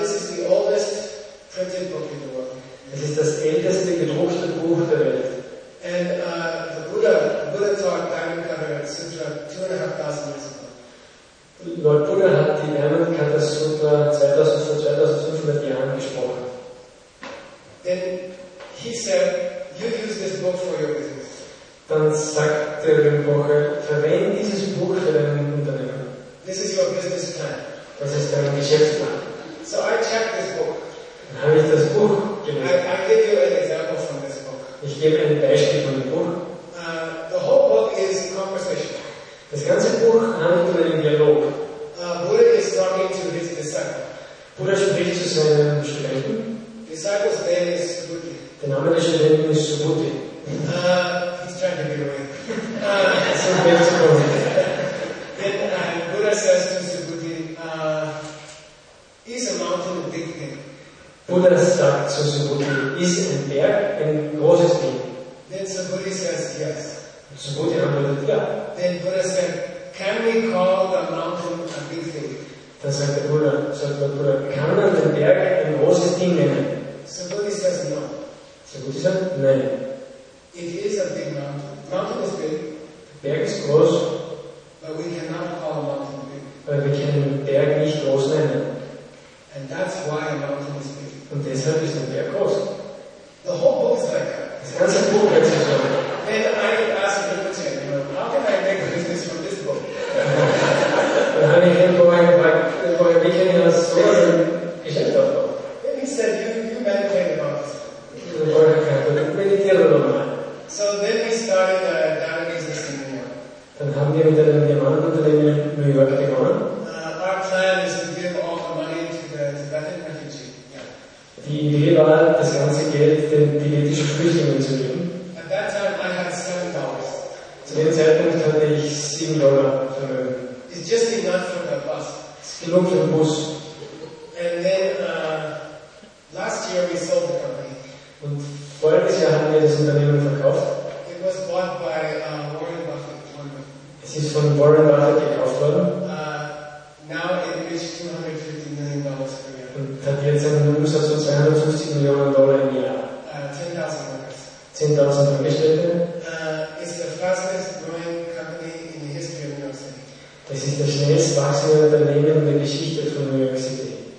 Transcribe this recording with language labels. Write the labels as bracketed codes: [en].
[en] This is the oldest printed book in the world. [de] Es ist das älteste gedruckte Buch der Welt. [en] And the Buddha taught Diamond Cutter Sutra 2,500 years ago. [de] Lord Buddha hat die Diamond Cutter Sutra 2,500 Jahren gesprochen. [en] Then he said, you use this book for your business. [de] Dann sagt der Rinpoche, verwende dieses Buch für dein Unternehmen. [en] This is your business plan. [de] Das ist dein Geschäftsplan. [en] So I checked this book. [de] Dann habe ich das Buch gelesen. [en] I give you an example from this book. [de] Ich gebe ein Beispiel von dem Buch. [en] The whole book is conversation. [de] Das ganze Buch handelt über den Dialog. [en] Buddha is talking to his disciple. [de] Buddha spricht zu seinem Studenten. [en] Disciple's name is Subhuti. [de] Der Name des Studenten ist Subhuti. [en] He's trying to get away. [de] So geht's gut. [en] Then Buddha says to Subhuti, is a mountain a big thing? [de] Buddha sagt zu Subhuti, ist ein Berg ein großes Ding? [en] Then Subhuti says yes. [de] Subhuti antwortet ja. [en] Then Buddha said, can we call the mountain a big thing? [de] Dann sagt der Buddha, kann man den Berg ein großes Ding nennen? [en] Subhuti says no. [de] Subhuti sagt nein. [en] It is a big mountain. Mountain is big. [de] Berg ist groß. [en] But we cannot call a mountain big. [de] Weil wir können den Berg nicht groß nennen. [en] And that's why a mountain is big. [de] Und deshalb ist ein Berg groß. [en] The whole book is like that. [de] Das ganze Buch ist so. [en] And I asked the teacher, how can I make business from this book? [de] Dann habe ich ihn gefragt, wie kann ich das so ein Geschäft aufbauen? [en] Then he said, you meditate about this. [de] Dann habe ich gefragt, meditiere doch mal. [en] So then we started a diamond business in New York. [de] Dann haben wir wieder einen Diamantenunternehmen in New York begonnen. [en] Our plan is to give all the money. [de] Die Idee war, das ganze Geld den tibetischen Flüchtlingen zu geben. [en] At that time I had $7. [de] Zu dem Zeitpunkt hatte ich $7 Vermögen. [en] It's just enough for the bus. [de] Es ist genug für den Bus. [en] And then last year we sold the company. [de] Und voriges Jahr haben wir das Unternehmen verkauft. [en] It was bought by Warren Buffett. [de] Es ist von Warren Buffett gekauft worden. [en] Now it reached $250 million. [de] Und hat jetzt einen Umsatz von $250 Millionen im Jahr. [en] 10.000 Workers. [de] 10.000 Angestellte. [en] It's the fastest growing company in the history of New York City. [de] Das ist das schnellst wachsende Unternehmen in der Geschichte von New York City.